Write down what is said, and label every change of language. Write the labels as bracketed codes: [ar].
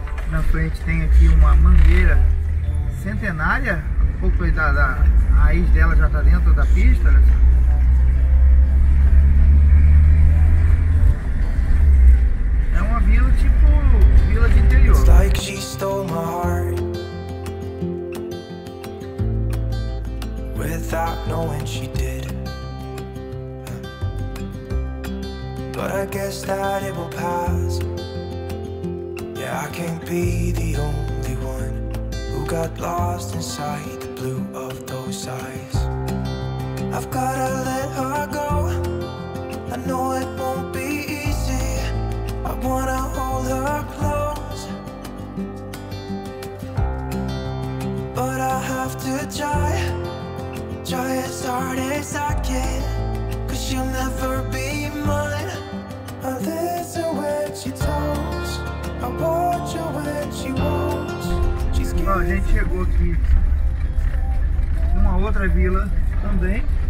[pt] Na frente tem aqui uma mangueira centenária. Um pouco aí da raiz dela já está dentro da pista. É uma vila tipo vila de interior. [en] It's like she stole my heart. Without knowing she did. But I guess that it will pass. Yeah, I can't be the only one who got lost inside the blue of those eyes. I've gotta let her go. I know it won't be easy. I wanna hold her close, but I have to try. Try as hard as I can, 'cause she'll never be mine. I listen when she talks, I watch her when she walks. She's getting... [pt] Bom, a gente chegou aqui numa outra vila também.